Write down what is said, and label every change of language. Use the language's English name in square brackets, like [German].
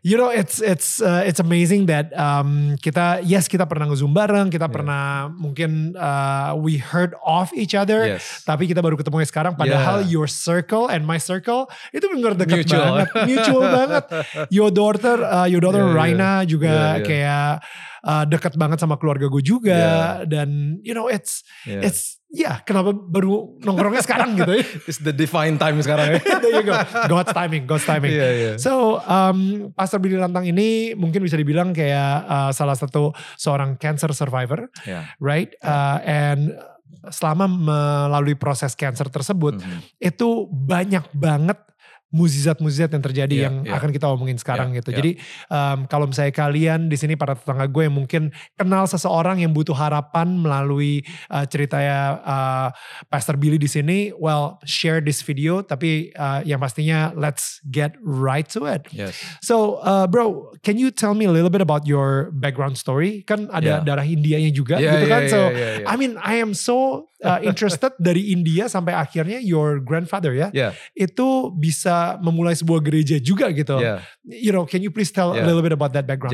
[English] You know, it's amazing that [Indonesian] kita pernah nge-zoom bareng, kita pernah mungkin [English] we heard of each other. Yes. [Indonesian] Tapi kita baru ketemu sekarang. Padahal [English] your circle and my circle [Indonesian] itu benar-benar dekat [English] mutual. [Indonesian] Banget, mutual banget. [English] Your daughter [Indonesian] Raina juga kayak dekat banget sama keluarga gue juga. [English] Yeah. [Indonesian] Dan [English] you know, it's [Indonesian] ya, kenapa baru nongkrongnya sekarang gitu ya? [English] It's the divine time [Indonesian] sekarang ya. [English] There you go. God's timing. Yeah, yeah. [Indonesian] So, Pastor Billy Lantang ini mungkin bisa dibilang kayak salah satu seorang [English] cancer survivor. Yeah. Right? Yeah. [Indonesian] And selama melalui proses cancer tersebut, itu banyak banget mukjizat-mukjizat yang terjadi yang akan kita omongin sekarang gitu. Jadi kalau misalnya kalian di sini para tetangga gue yang mungkin kenal seseorang yang butuh harapan melalui ceritanya Pastor Billy di sini, [English] well share this video. [Indonesian] Tapi yang pastinya [English] let's get right to it. Yes. So bro, can you tell me a little bit about your background story? [Indonesian] Kan ada darah Indianya juga gitu kan? [English] Yeah, so yeah. I mean I am so interested [Indonesian] dari India sampai akhirnya [English] your grandfather [Indonesian] itu bisa memulai sebuah gereja juga gitu. [English] Yeah. You know, can you please tell a little bit about that background?